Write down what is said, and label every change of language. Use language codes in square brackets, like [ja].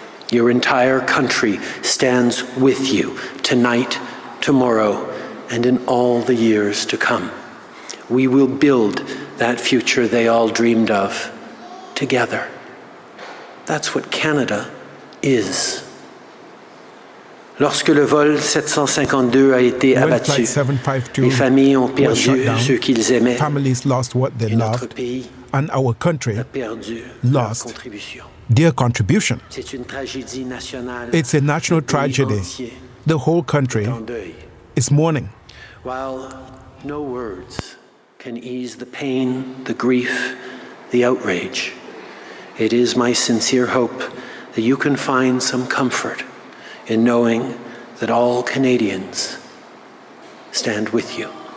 [en] Your entire country stands with you tonight, tomorrow, and in all the years to come. We will build that future they all dreamed of together. That's what Canada is. [fr] Lorsque le vol 752 a été abattu, les familles ont perdu ceux qu'ils aimaient. [en] Families lost what they loved, and our country lost their contribution. [fr] C'est une tragédie nationale. [en] It's a national tragedy. The whole country is mourning. While no words can ease the pain, the grief, the outrage, it is my sincere hope that you can find some comfort in knowing that all Canadians stand with you.